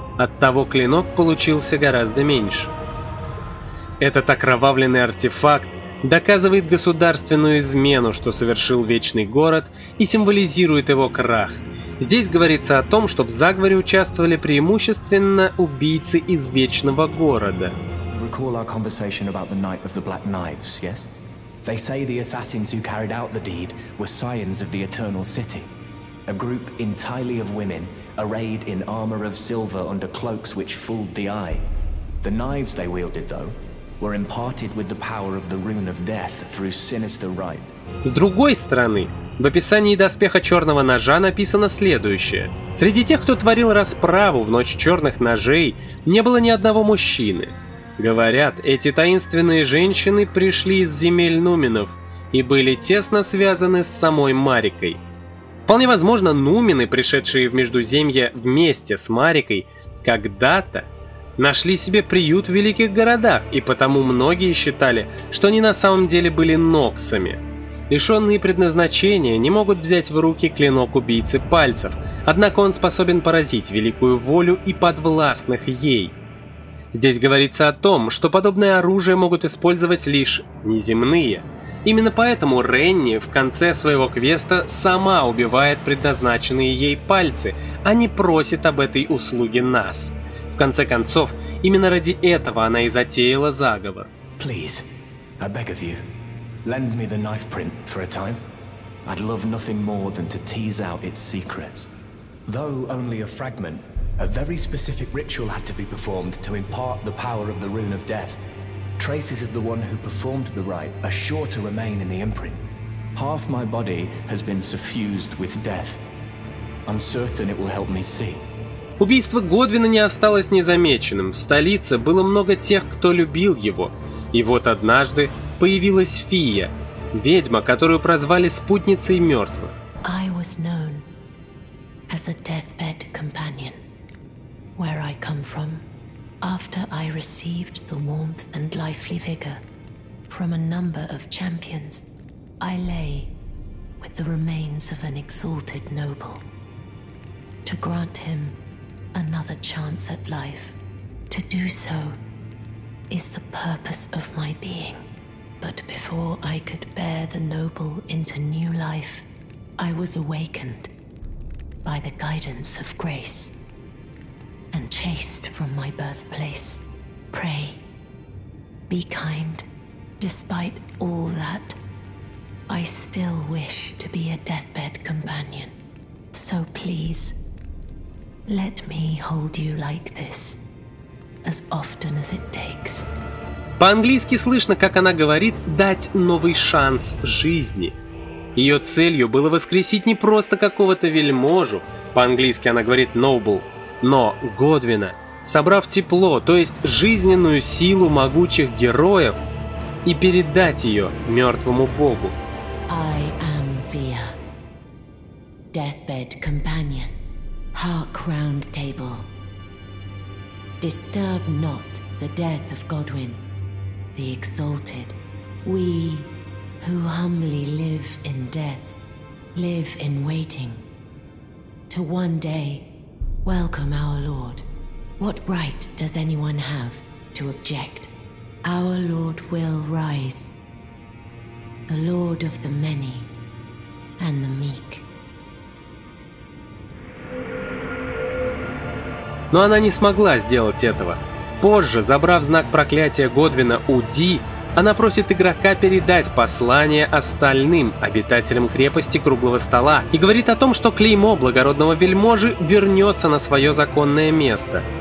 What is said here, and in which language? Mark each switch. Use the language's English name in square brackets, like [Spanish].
[Russian] Оттого клинок получился гораздо меньше. Этот окровавленный артефакт доказывает государственную измену, что совершил Вечный Город, и символизирует его крах. Здесь говорится о том, что в заговоре участвовали преимущественно убийцы из Вечного Города. [English] Recall our conversation about the Knight of the Black Knives, yes? They say the assassins who carried out the deed were scions of the Eternal City, a group entirely of women, arrayed in armor of silver under cloaks which fooled the eye. The knives they wielded, though, were imparted with the power of the rune of death through sinister rite. [Russian] С другой стороны, в описании доспеха черного ножа написано следующее. Среди тех, кто творил расправу в ночь черных ножей, не было ни одного мужчины. Говорят, эти таинственные женщины пришли из земель Нуменов и были тесно связаны с самой Марикой. Вполне возможно, Нумены, пришедшие в Междуземье вместе с Марикой, когда-то нашли себе приют в великих городах, и потому многие считали, что они на самом деле были ноксами. Лишенные предназначения не могут взять в руки клинок убийцы пальцев, однако он способен поразить великую волю и подвластных ей. Здесь говорится о том, что подобное оружие могут использовать лишь неземные. Именно поэтому Ренни в конце своего квеста сама убивает предназначенные ей пальцы, а не просит об этой услуге нас. В конце концов, именно ради этого она и затеяла заговор. [English] Please, I beg of you, lend me the knife print for a time. I'd love nothing more than to tease out its secrets. Though only a fragment, a very specific ritual had to be performed to impart the power of the rune of death. Traces of the one who performed the rite are sure to remain in the imprint. Half my body has been suffused with death. I'm certain it will help me see. [Russian] Убийство Годвина не осталось незамеченным. В столице было много тех, кто любил его. И вот однажды появилась Фия, ведьма, которую прозвали спутницей мертвых. [English] I was known as a deathbed companion. Where I come from, after I received the warmth and lively vigor from a number of champions, I lay with the remains of an exalted noble. To grant him another chance at life, to do so is the purpose of my being. But before I could bear the noble into new life, I was awakened by the guidance of grace. And chased from my birthplace. Pray, be kind. Despite all that, I still wish to be a deathbed companion. So please, let me hold you like this, as often as it takes. [Russian] По-английски слышно, как она говорит «дать новый шанс жизни». Ее целью было воскресить не просто какого-то вельможу, по-английски она говорит «noble», но Годвина, собрав тепло, то есть жизненную силу могучих героев, и передать ее мертвому богу. [English] I am Fia, deathbed companion, hark round table. Disturb not the death of Godwin, the exalted. We, who humbly live in death, live in waiting. To one day, welcome our lord. What right does anyone have to object? Our lord will rise. The lord of the many and the meek. [Russian] Но она не смогла сделать этого. Позже, забрав знак проклятия Годвина у Ди, она просит игрока передать послание остальным обитателям крепости Круглого Стола и говорит о том, что клеймо благородного вельможи вернется на свое законное место.